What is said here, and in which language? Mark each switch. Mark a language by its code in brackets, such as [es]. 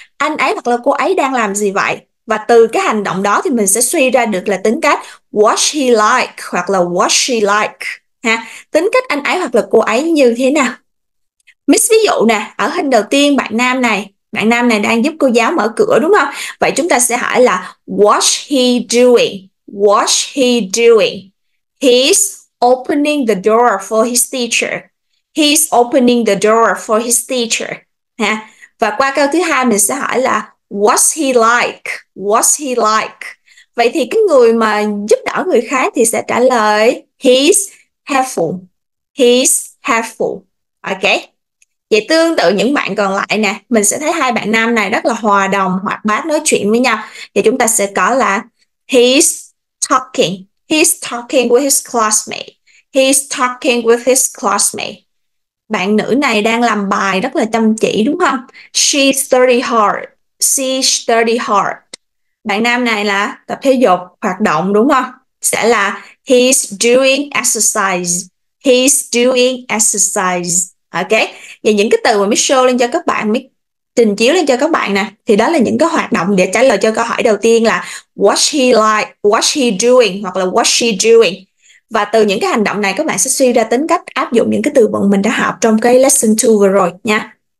[vi] Anh ấy hoặc là cô ấy đang làm gì vậy? Và từ cái hành động đó thì mình sẽ suy ra được là tính cách [en] What's he like? [vi] Hoặc là [en] What's she like? [vi] Ha? Tính cách anh ấy hoặc là cô ấy như thế nào? Miss, ví dụ nè, ở hình đầu tiên bạn nam này đang giúp cô giáo mở cửa đúng không? Vậy chúng ta sẽ hỏi là [en] What's he doing? What's he doing? He's opening the door for his teacher. He's opening the door for his teacher. Ha? [vi] Và qua câu thứ hai mình sẽ hỏi là [en] What's he like? What's he like? [vi] Vậy thì cái người mà giúp đỡ người khác thì sẽ trả lời [en] He's helpful. He's helpful. [vi] Ok. Vậy tương tự những bạn còn lại nè, mình sẽ thấy hai bạn nam này rất là hòa đồng, hoạt bát nói chuyện với nhau. Thì chúng ta sẽ có là [en] he's talking with his classmate. He's talking with his classmate. [vi] Bạn nữ này đang làm bài rất là chăm chỉ đúng không? [en] She study hard. She study hard. [vi] Bạn nam này là tập thể dục, hoạt động đúng không? Sẽ là [en] he's doing exercise. He's doing exercise. [vi] Ok, và những cái từ mà mới show lên cho các bạn, mới trình chiếu lên cho các bạn nè, thì đó là những cái hoạt động để trả lời cho câu hỏi đầu tiên là [en] What's he like? What's he doing? [vi] Hoặc là [en] what's she doing? [vi] Và từ những cái hành động này các bạn sẽ suy ra tính cách, áp dụng những cái từ vựng mình đã học trong cái lesson 2 vừa rồi nha.